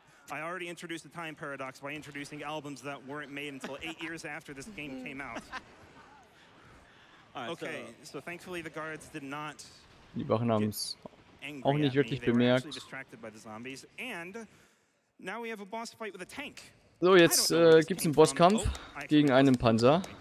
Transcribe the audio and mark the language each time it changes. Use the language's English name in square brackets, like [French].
[English] I already introduced the time paradox by introducing albums that weren't made until 8 years after this game came out. Okay, so thankfully the guards did not. [German] Die Wachen haben es auch nicht wirklich bemerkt. [English] And now we have a boss fight with a tank. [German] So, jetzt gibt es einen Bosskampf gegen einen Panzer.